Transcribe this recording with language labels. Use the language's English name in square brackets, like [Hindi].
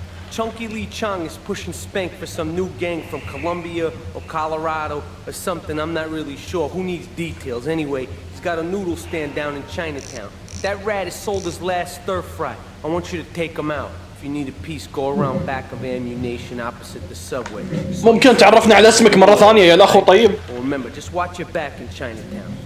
[English] Chunky Lee Chung is pushing spank for some new gang from Colombia or Colorado or something. I'm not really sure. Who needs details? Anyway, he's got a noodle stand down in Chinatown. That rat has sold his last stir fry. I want you to take him out. If you need a piece, go around back of ammunition opposite the subway. [Arabic] ممكن تعرفنا على اسمك مرة ثانية يا الأخ طيب؟ [English] Remember, just watch your back in Chinatown.